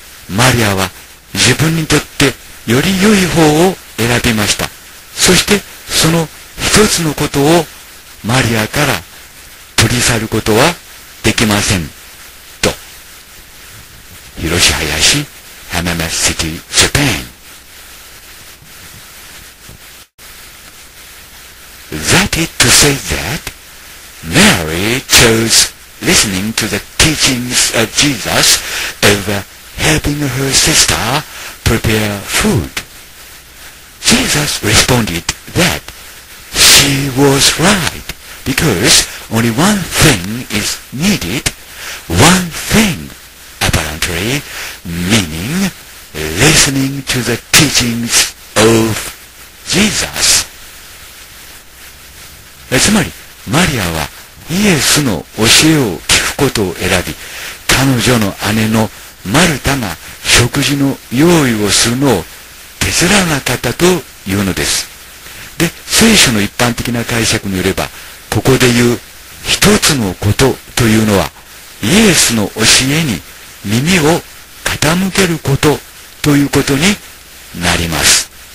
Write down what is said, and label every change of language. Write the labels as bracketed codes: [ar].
[ja] マリアは自分にとってより良い方を選びました。そして、その一つのことをマリアから取り去ることはできません。と。広し林、浜松市、ジャパン。 [en] That is to say that Mary chose listening to the teachings of Jesus over helping her sister prepare food. Jesus responded that she was right because only one thing is needed, one thing apparently, meaning listening to the teachings of Jesus. [ja] つまり、マリアはイエスの教えを聞くことを選び、彼女の姉のマルタが食事の用意をするのを手伝わなかったというのです。で、聖書の一般的な解釈によれば、ここで言う一つのことというのは、イエスの教えに耳を傾けることということになります。